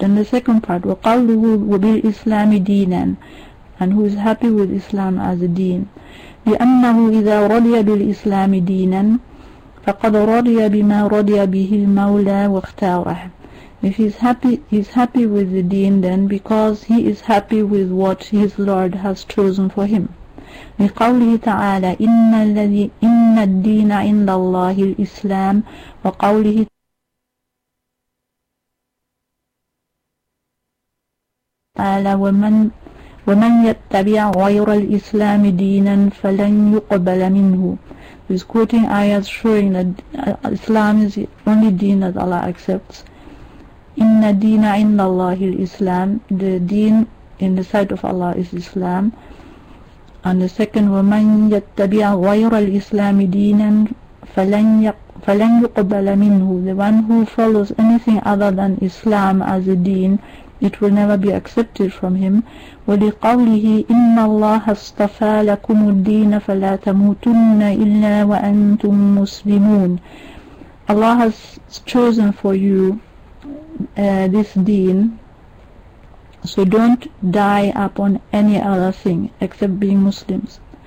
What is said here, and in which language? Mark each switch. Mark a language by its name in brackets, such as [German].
[English] Then the second part, [Arabic] وَقَلْبُهُ بِالْإِسْلَامِ دِينًا, [English] and who is happy with Islam as a deen. [Arabic] لِأَنَّهُ إِذَا رَضِيَ بِالْإِسْلَامِ دِينًا فَقَدْ رَضِيَ بِمَا رَضِيَ بِهِ الْمَوْلَى وَاخْتَارَهُ. [English] If he's happy with the deen, then because he is happy with what his Lord has chosen for him. [Arabic] لقوله تعالى إن الذي إن الدين عند الله الإسلام وقوله تعالى ومن يتبع غير الإسلام دينا فلن يقبل منه. [English] He's quoting ayahs showing that Islam is the only deen that Allah accepts. [Arabic] Inna deena inna Allahi al-Islam. [English] The deen in the sight of Allah is Islam. And the second, [Arabic] وَمَنْ يَتَّبِعَ غَيْرَ الْإِسْلَامِ دِينًا فَلَنْ يُقْبَلَ مِنْهُ. [English] The one who follows anything other than Islam as a deen, it will never be accepted from him. [Arabic] وَلِقَوْلِهِ إِنَّ اللَّهَ اصْطَفَى لَكُمُ الدِّينَ فَلَا تَمُوتُنَّ إِلَّا وَأَنْتُمْ مُسْلِمُونَ. [English] Allah has chosen for you this deen, so don't die upon any other thing except being Muslims.